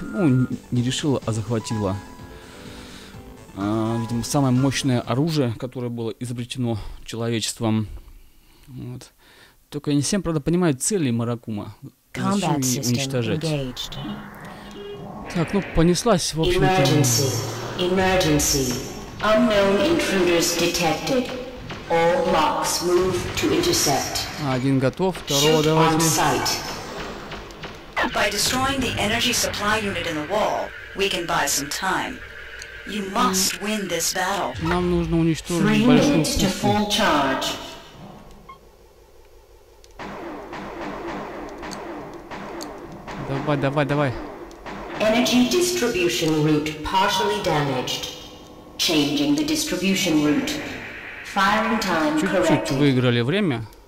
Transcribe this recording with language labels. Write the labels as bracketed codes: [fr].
[ru] Ну, не решила, а захватила. Видимо, самое мощное оружие, которое было изобретено человечеством. Вот. Только я не всем, правда, понимаю цели Маракума. Зачем ее уничтожать? Так, ну, понеслась, в общем-то. [en] Emergency. Emergency. Unknown intruders detected. All blocks move to intercept. [ru] Один готов, второго давайте. [en] By destroying the energy supply unit in the wall, we can buy some time. You must win this battle. [ru] Нам нужно уничтожить большую пушку. [en] To full charge. [ru] Давай, давай, давай. [en] Energy distribution route partially damaged. Changing the distribution route. Firing time corrected. [ru] Чуть-чуть выиграли время.